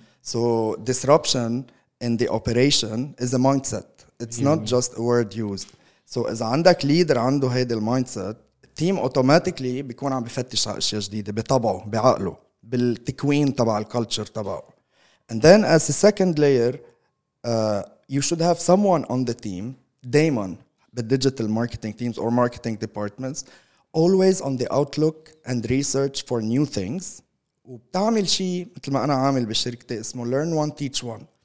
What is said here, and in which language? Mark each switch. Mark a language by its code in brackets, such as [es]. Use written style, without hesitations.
[en] So disruption in the operation is a mindset. It's not just a word used. [ar] So as عندك leader عنده هيدا المايندسيت, team automatically بيكون عم بفتش على أشياء جديدة بطبعه بعقله بالتكوين تبع الكالتشر تبعه. [en] And then as a second layer, you should have someone on the team, Damon, the digital marketing teams or marketing departments, always on the outlook and research for new things. [ar] وبتعمل شيء مثل ما أنا عامل بشركتي اسمه learn one teach one.